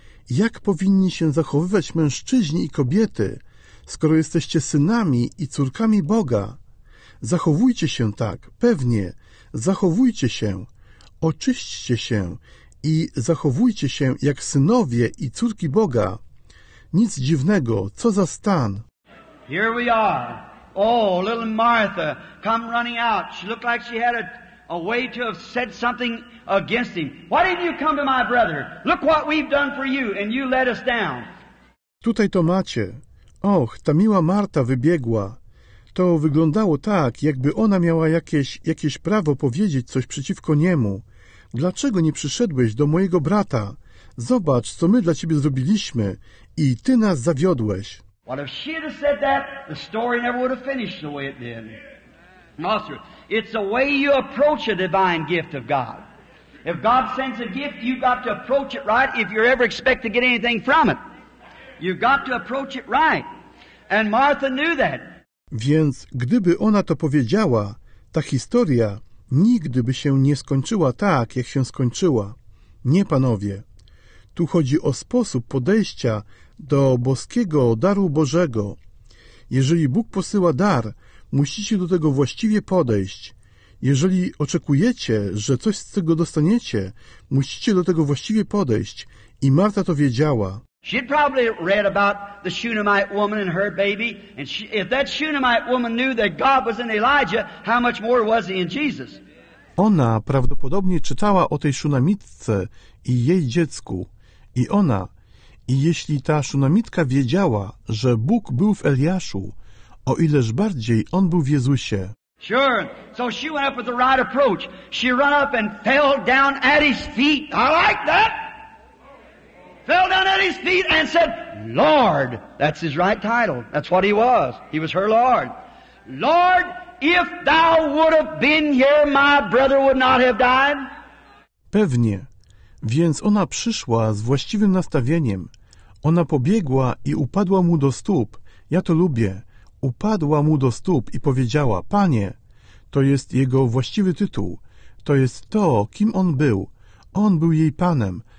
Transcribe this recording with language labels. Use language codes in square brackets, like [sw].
[pl] Jak powinni się zachowywać mężczyźni i kobiety, skoro jesteście synami i córkami Boga? Zachowujcie się tak, pewnie, zachowujcie się, oczyśćcie się i zachowujcie się jak synowie i córki Boga. Nic dziwnego, co za stan. [en] Here we are. Oh, little Martha, come running out. She looked like she had a way to have said something against him. Why didn't you come to my brother? Look what we've done for you and you let us down. [pl] Tutaj to macie. Och, ta miła Marta wybiegła. To wyglądało tak, jakby ona miała jakieś prawo powiedzieć coś przeciwko niemu. Dlaczego nie przyszedłeś do mojego brata? Zobacz, co my dla ciebie zrobiliśmy i ty nas zawiodłeś. [en] What if she had said that, the story never would have finished the way it did. No, sir. It's the way you approach a divine gift of God. If God sends a gift, you've got to approach it right if you ever expect to get anything from it. You've got to approach it right. And Martha knew that. [pl] Więc gdyby ona to powiedziała, ta historia nigdy by się nie skończyła tak, jak się skończyła. Nie, panowie. Tu chodzi o sposób podejścia do boskiego daru Bożego. Jeżeli Bóg posyła dar, musicie do tego właściwie podejść. Jeżeli oczekujecie, że coś z tego dostaniecie, musicie do tego właściwie podejść. I Marta to wiedziała. [en] She'd probably read about the Shunammite woman and her baby, and she, if that Shunammite woman knew that God was in Elijah, how much more was he in Jesus? [pl] Ona prawdopodobnie czytała o tej Szunamitce i jej dziecku. I jeśli ta Szunamitka wiedziała, że Bóg był w Eliaszu, o ileż bardziej on był w Jezusie. [en] Sure. So she went up with the right approach. She ran up and fell down at his feet. I like that. Fell down at his feet and said, Lord, that's his right title. That's what he was. He was her Lord. Lord, if thou would have been here, my brother would not have died. [pl] Pewnie. Więc ona przyszła z właściwym nastawieniem. Ona pobiegła i upadła mu do stóp. Ja to lubię. Upadła mu do stóp i powiedziała, Panie, to jest jego właściwy tytuł. To jest to, kim on był. On był jej panem.